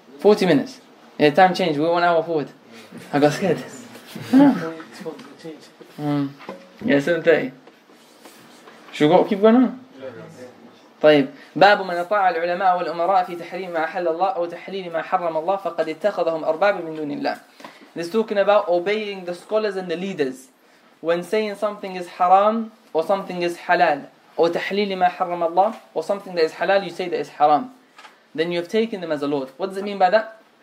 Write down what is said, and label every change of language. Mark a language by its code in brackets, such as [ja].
[en] 40 minutes. Yeah, time changed. We're 1 hour forward. I got scared. Yeah, 7:30. Should we go, keep going on? [ar] طيب باب من اطاع العلماء والامراء في تحريم ما احل الله او تحليل ما حرم الله فقد اتخذهم ارباب من دون الله. [en] This talking about obeying the scholars and the leaders when saying something is haram or something is halal, or [ar] تحليل ما حرم الله, [en] or something that is halal you say that is haram, then you have taken them as a lord. What does it mean by that?